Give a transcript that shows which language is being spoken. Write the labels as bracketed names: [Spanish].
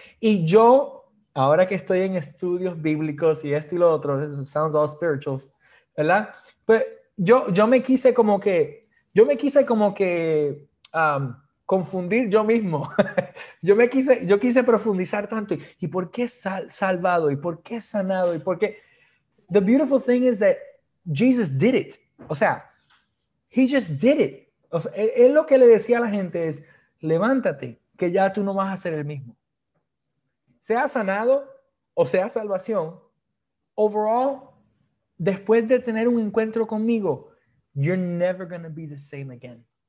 [Spanish] Y yo, ahora que estoy en estudios bíblicos y esto y lo otro, [English] sounds all spirituals, [Spanish] ¿verdad? Pero yo me quise como que confundir yo mismo. Yo quise profundizar tanto. ¿Y por qué salvado? ¿Y por qué sanado? ¿Y por qué? [English] The beautiful thing is that Jesus did it. [Spanish] O sea, [English] He just did it. [Spanish] O sea, él lo que le decía a la gente es, levántate, que ya tú no vas a ser el mismo. Sea sanado o sea salvación, overall, después de tener un encuentro conmigo, [English] you're never gonna be the same again.